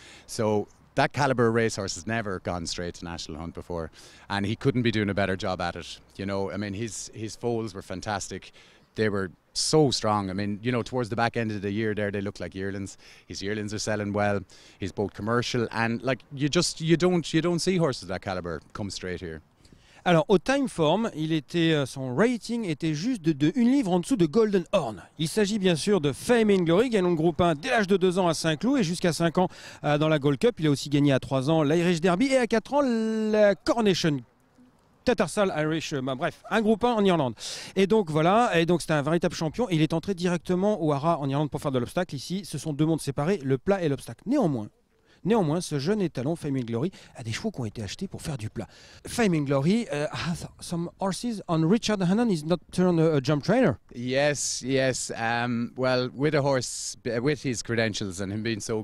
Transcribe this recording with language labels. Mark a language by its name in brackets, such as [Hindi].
[English] So that caliber of racehorse has never gone straight to National Hunt before, and he couldn't be doing a better job at it. You know, I mean, his foals were fantastic. They were so strong. I mean, you know, towards the back end of the year there, they look like yearlings. His yearlings are selling well. He's both commercial and, like, you don't see horses of that caliber come straight here. [French] Alors, au Time Form, son rating était juste de 1 livre en dessous de Golden Horn. Il s'agit bien sûr de Fame and Glory, gagnant le groupe 1 dès l'âge de 2 ans à Saint-Cloud et jusqu'à 5 ans dans la Gold Cup. Il a aussi gagné à 3 ans l'Irish Derby et à 4 ans la Coronation Cup. Tattersall Irish, bah bref, un groupe 1 en Irlande. Et donc voilà, et donc c'était un véritable champion. Il est entré directement au Hara en Irlande pour faire de l'obstacle. Ici, ce sont deux mondes séparés, le plat et l'obstacle. Néanmoins, ce jeune étalon, Fame and Glory, a des chevaux qui ont été achetés pour faire du plat. [English] Fame and Glory has some horses on Richard Hannon. He's not turned a jump trainer. Yes, yes. Well, with a horse, with his credentials and him being so